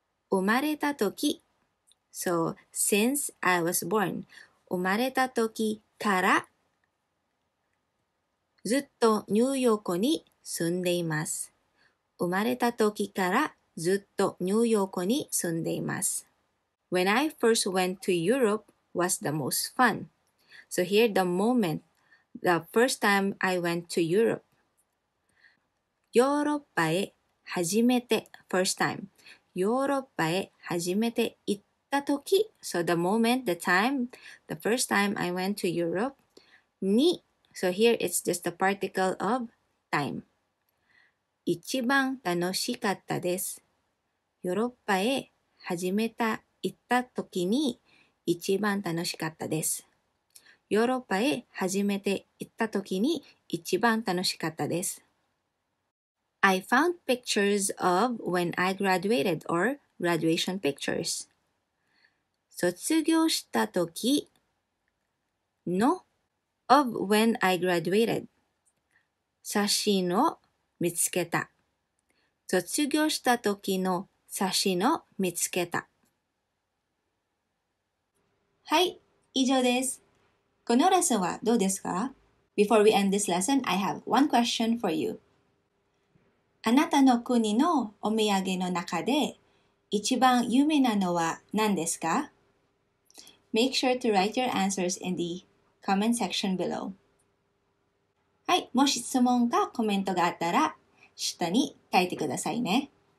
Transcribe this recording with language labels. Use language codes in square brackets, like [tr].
[ja] 生まれた時。 [en] So since I was born. [ja] 生まれた時から。ずっとニューヨークに住んでいます。生まれた時からずっとニューヨークに住んでいます。 [en] When I first went to Europe was the most fun. So here the moment, the first time I went to Europe. [ja] ヨーロッパへ初めて、 [en] first time. [ja] ヨーロッパへ初めて行った時、 [en] so the moment, the time, the first time I went to Europe, [ja] に [en] So here, it's just a particle of time. [ja] 一番楽しかったです。ヨーロッパへ始めた、行った時に一番楽しかったです。ヨーロッパへ初めて行った時に一番楽しかったです。 [en] I found pictures of when I graduated or graduation pictures. [ja] 卒業した時の [en] Of when I graduated. [ja] 写真を見つけた。卒業した時の写真を見つけた。はい、以上です。このレッスンはどうですか? [en] Before we end this lesson, I have one question for you. [ja] あなたの国のお土産の中で一番有名なのは何ですか? [en] Make sure to write your answers in the comment section below. [ja] はい、もし質問かコメントがあったら下に書いてくださいね。